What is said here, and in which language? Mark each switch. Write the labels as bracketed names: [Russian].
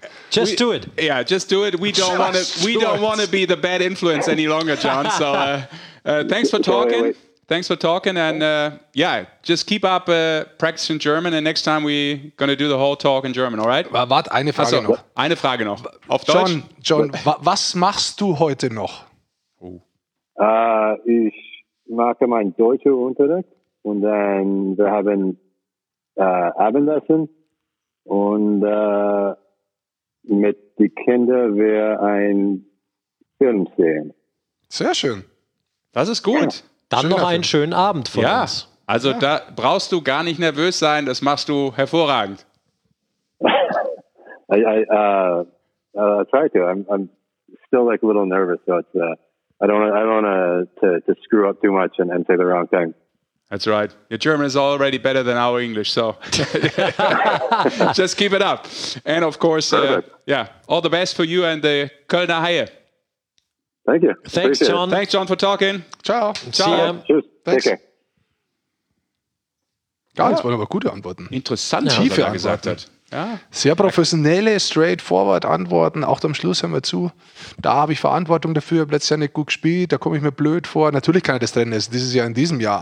[English] Just do it. Yeah, just do it. We don't want to be the bad influence any longer, John. So thanks for talking. And yeah, just keep up practicing German. And next time we're going to do the whole talk in German, all right? [German] Warte, eine Frage noch. Eine Frage noch. Auf Deutsch. John, was machst du heute noch? Ich mache meinen deutschen Unterricht. Und dann wir haben Abendessen. Und... mit die Kinder wäre ein Film sehen. Sehr schön. Das ist gut. Ja. Dann noch einen schönen Abend von uns. Also da brauchst du gar nicht nervös sein, das machst du hervorragend. [English] I try to. I'm still like a little nervous, so it's I don't want to screw up too much and say the wrong thing. That's right. Your German is already better than our English, so just keep it up. And of course, all the best for you and the Kölner Haie. Thank you. Thanks, John. Thanks, John, for talking. Ciao. See you. Thanks. Take care. [German] Ja, das waren aber gute Antworten. Interessant, ja, was er gesagt hat. Ja. Sehr professionelle, straightforward Antworten. Auch am Schluss hören wir zu. Da habe ich Verantwortung dafür. Habe letztes Jahr nicht gut gespielt. Da komme ich mir blöd vor. Natürlich kann er das trennen. Ist dieses Jahr in diesem Jahr.